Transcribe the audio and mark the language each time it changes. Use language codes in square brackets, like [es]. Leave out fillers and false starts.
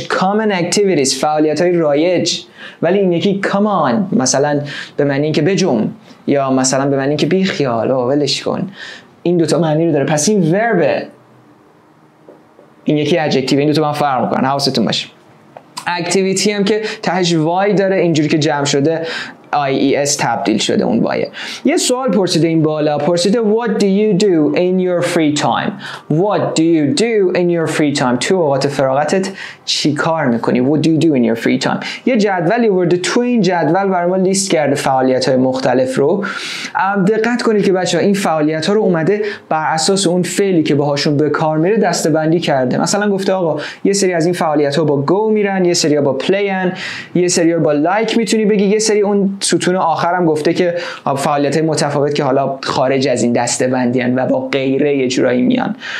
[en] common activities، [fa] فعالیت های رایج. ولی این یکی کامان مثلا به معنی این که بجوم، یا مثلا به معنی این که بیخیال و ولش کن. این دوتا معنی رو داره. پس این وربه، این یکی اجکتیو، این دو تا با هم فرق میکنن، حواستون باشه. اکتیویتی هم که تهش وای داره، اینجوری که جمع شده IES تبدیل شده اون وای. یه سوال پرسیده این بالا، پرسیده [en] what do you do in your free time. what do you do in your free time، [fa] تو اوقات فراغتت چی کار میکنی. [en] what do you do in your free time، [fa] یه جدولی ورده، تو این جدول برای ما لیست کرده فعالیت های مختلف رو. دقت کنید که بچه ها، این فعالیت ها رو اومده بر اساس اون فعلی که باهاشون به کار میره دستبندی کرده. مثلا گفته آقا یه سری از این فعالیت ها با go میرن، یه سری ها با play ان، یه سری ها با like میتونی بگی، یه سری اون ستون آخر هم گفته که فعالیت های متفاوت که حالا خارج از این دسته بندی هن و با غیره یه جورایی میان.